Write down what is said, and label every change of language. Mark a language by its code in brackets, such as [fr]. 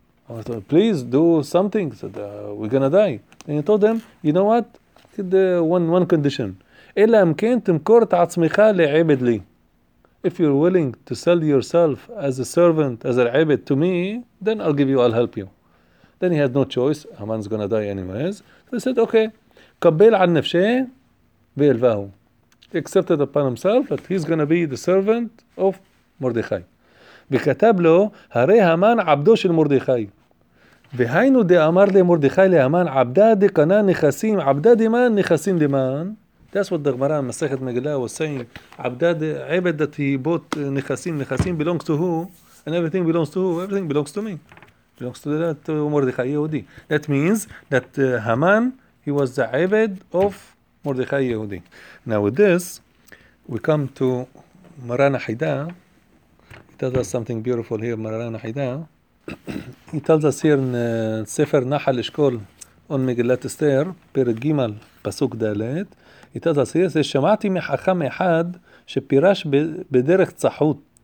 [he] אמר לו, [en] please do something, said, we're gonna die. And he told them, you know what? One condition. [he] אלא אם כן תמכור את עצמך לעבד לי. [en] If you're willing to sell yourself as a servant, as an עבד to me, then I'll give you, I'll help you. Then he had no choice, Haman's gonna die anyways. So he said, okay, [he] קבל על נפשי ואלווהו. [en] He accepted upon himself that he's going to be the servant of Mordechai. [he] וכתב לו, הרי המן עבדו של מרדכי. והיינו דאמר למרדכי להמן, עבדה דקנה נכסים, עבדה דמן נכסים דמן. [en] That's what the Gemara, מסכת מגילה, was saying. עבדה דעבד that he bought נכסים, נכסים belongs to who? And everything belongs to who? Everything belongs to me. Belongs to that מרדכי יהודי. That means that המן, he was the עבד of מרדכי יהודי. Now with this, we come to מרן החידה. He tells us something beautiful here, מרן החידה. He tells us here in ספר נחל אשכול, on מגילת אסתר, פרק ג' פסוק ד', he tells us here, [he] שמעתי מחכם אחד שפירש בדרך צחות.